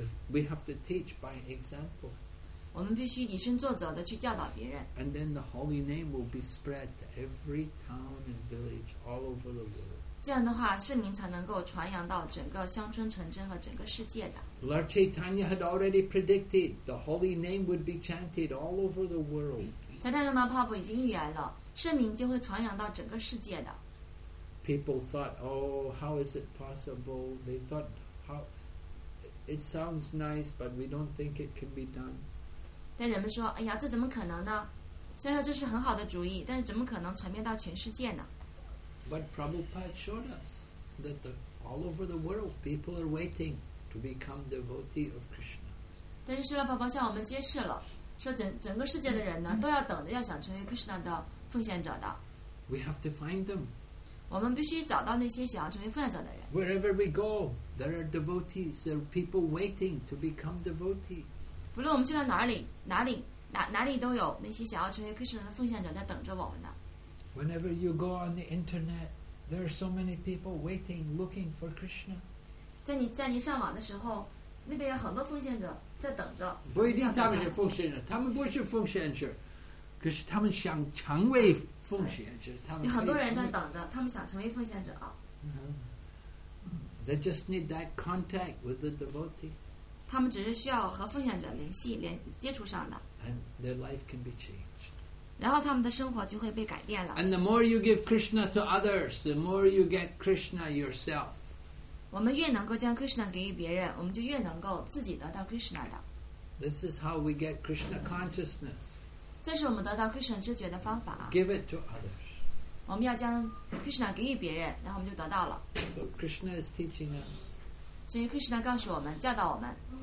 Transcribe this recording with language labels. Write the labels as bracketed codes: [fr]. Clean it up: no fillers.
[en] We have to teach by example. [zh] 我们必须以身作则的去教导别人。 [en] And then the holy name will be spread to every town and village all over the world. [zh] 这样的话，圣名才能够传扬到整个乡村城镇和整个世界的。 [en] Lord Chaitanya had already predicted the holy name would be chanted all over the world. [zh] 财神妈帕布已经预言了，圣名就会传扬到整个世界的。 [en] People thought, oh, how is it possible? They thought, how? It sounds nice, but we don't think it can be done. [zh] 但人们说，哎呀，这怎么可能呢？虽然说这是很好的主意，但是怎么可能传遍到全世界呢？ [en] But Prabhupada showed us that all over the world, people are waiting. To become devotee of Krishna. [zh] 但是释迦牟尼佛向我们揭示了，说整个世界的人呢，都要等着要想成为 Krishna 的奉献者的。 [en] We have to find them. [zh] 我们必须找到那些想要成为奉献者的人。 [en] Wherever we go, there are devotees. There are people waiting to become devotee. [zh] 不论我们去到哪里都有那些想要成为 Krishna 的奉献者在等着我们的。 [en] Whenever you go on the internet, there are so many people waiting, looking for Krishna. [zh] 在你上网的时候，那边有很多奉献者在等着。不一定他们是奉献者，他们不是奉献者，可是他们想成为奉献者。他们有很多人在等着，他们想成为奉献者。 Mm-hmm. [en] They just need that contact with the devotee. [zh] 他们只是需要和奉献者联系、接触上的。 [en] And their life can be changed. [zh] 然后他们的生活就会被改变了。 [en] And the more you give Krishna to others, the more you get Krishna yourself. [zh] 我们越能够将 Krishna 给予别人，我们就越能够自己得到 Krishna 的。 [en] This is how we get Krishna consciousness. [zh] 这是我们得到 Krishna 知觉的方法。 [en] Give it to others. [zh] 我们要将 Krishna 给予别人，然后我们就得到了。 [en] So Krishna is teaching us. [zh] 所以 Krishna 告诉我们，教导我们。